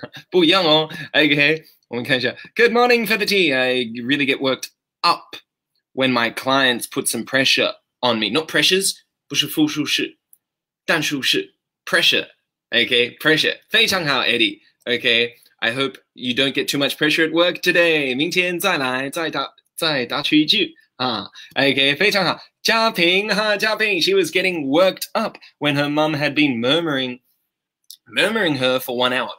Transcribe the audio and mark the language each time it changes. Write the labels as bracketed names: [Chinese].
[Chinese] 不一样哦 [English] okay, [Chinese] 我们看一下 [English] good morning, Feather Tea, I really get worked up when my clients put some pressure on me, not pressures, [Chinese] 不是复数式单数式 [English] pressure, okay, pressure, [Chinese] 非常好 [English] Eddie, okay,I hope you don't get too much pressure at work today. [Chinese] 明天再来再打出一句啊。 Okay, 非常好。 [English] 嘉平哈，嘉平 she was getting worked up when her mum had been murmuring her for 1 hour.